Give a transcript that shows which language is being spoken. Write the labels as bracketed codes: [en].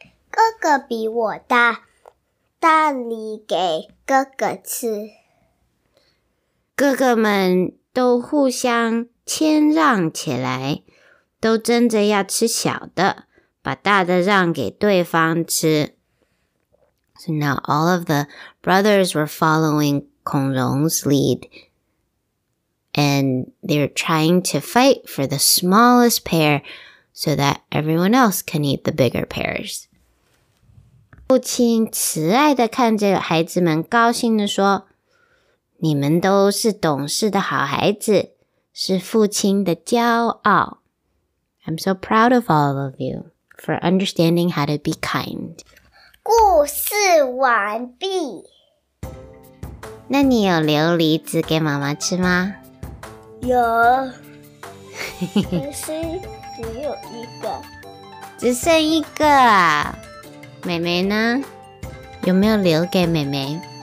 [zh] 哥哥比我大，大梨给哥哥吃。哥哥们都互相谦让起来，都争着要吃小的，把大的让给对方吃。 [en] So now all of the brothers were following Kong Rong's lead, and they're trying to fight for the smallest pear so that everyone else can eat the bigger pears. [zh] 父亲慈爱地看着孩子们，高兴地说，你们都是懂事的好孩子，是父亲的骄傲。 [en] I'm so proud of all of you for understanding how to be kind. [zh] 故事完毕。那你有留梨子给妈妈吃吗？有，只剩只有一个。只剩一个啊？妹妹呢？有没有留给妹妹？